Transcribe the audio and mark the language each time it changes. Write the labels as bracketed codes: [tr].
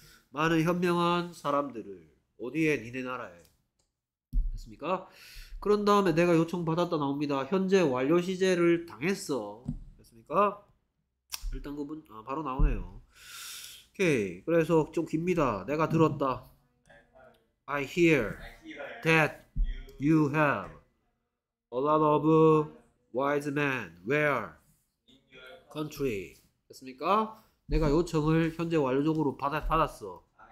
[ko] 많은 현명한 사람들을 어디에? 니네 나라에. 됐습니까? 그런 다음에 내가 요청받았다 나옵니다. 현재 완료 시제를 당했어. 됐습니까? 일단 그분 바로 나오네요. 오케이. 그래서 좀 깁니다. 내가 들었다. [en] I hear that you have a lot of wise men. Where? Country. [ko] 됐습니까? 내가 요청을 현재 완료적으로 받았어.